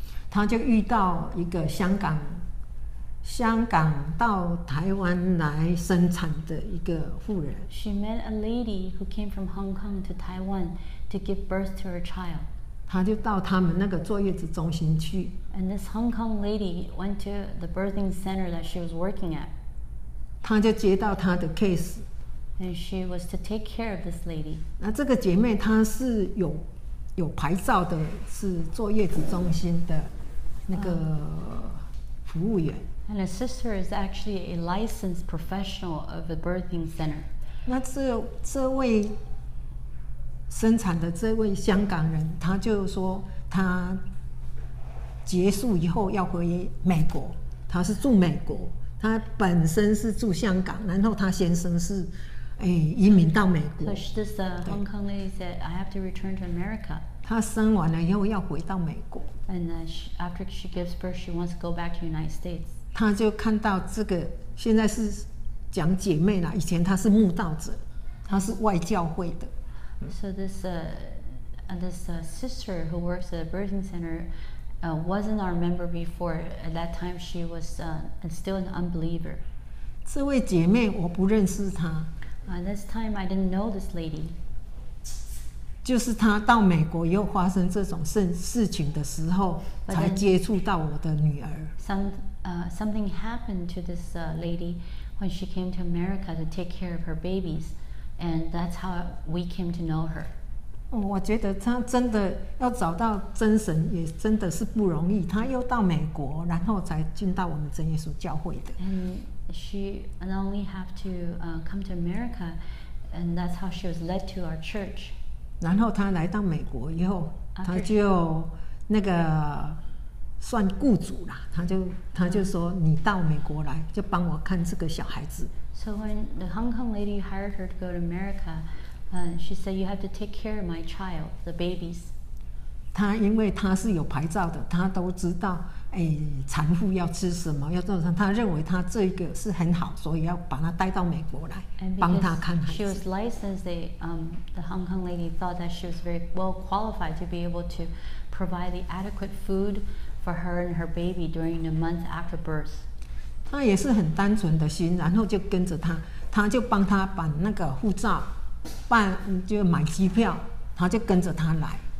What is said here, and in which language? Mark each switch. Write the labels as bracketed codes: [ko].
[zh] 她就遇到一个香港到台湾来生产的一个妇人。 [en] She met a lady who came from Hong Kong to Taiwan to give birth to her child. [zh] 她就到他们那个坐月子中心去。 [en] And this Hong Kong lady went to the birthing center that she was working at. [zh] 她就接到她的 case. [en] And she was to take care of this lady. [zh] 那这个姐妹她是有牌照的，是坐月子中心的那个服务员。 [en] And a sister is actually a licensed professional of a birthing center. [zh] 那这位生产的这位香港人，他就说他结束以后要回美国，他是住美国，他本身是住香港，然后他先生是移民到美国。 [en] So this Hong Kong lady said, "I have to return to America." [zh] 她生完了以后要回到美国。 [en] And after she gives birth, she wants to go back to the United States. [zh] 他就看到这个现在是讲姐妹了，以前他是慕道者。他是外教会的。 [en] So this this sister who works at the birthing center wasn't our member before. At that time, she was still an unbeliever. [zh] 这位姐妹我不认识她。 [en] This time, I didn't know this lady. [zh] 就是她到美国又发生这种事情的时候，才接触到我的女儿。 [en] Something happened to this lady when she came to America to take care of her babies, and that's how we came to know her. [zh] 我觉得她真的要找到真神也真的是不容易，她又到美国，然后才进到我们真耶稣教会的。 [en] She not only have to come to America, and that's how she was led to our church. [zh] 然后她来到美国以后，她就那个算雇主啦，她就说你到美国来，就帮我看这个小孩子。 [en] So when the Hong Kong lady hired her to go to America, she said you have to take care of my child, the babies. [zh] 她因为她是有牌照的，她都知道。产妇要吃什么要做什么，他认为他这个是很好，所以要把他带到美国来帮他看孩子。 [en] She was licensed, the Hong Kong lady thought that she was very well qualified to be able to provide the adequate food for her and her baby during the month after birth. [zh] 他也是很单纯的心，然后就跟着他，他就帮他办那个护照，就买机票，他就跟着他来。